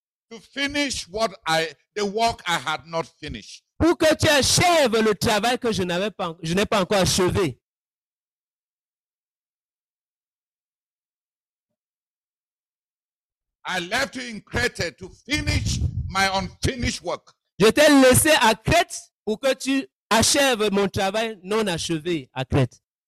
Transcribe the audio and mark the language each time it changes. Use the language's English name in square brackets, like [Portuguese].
[English] To finish what the work I had not finished. [French] Pour que tu achèves le travail que je n'ai pas encore achevé. [English] I left you in Crete to finish my unfinished work. [French] Je t'ai laissé à Crète pour que tu achèves mon travail non achevé à Crète.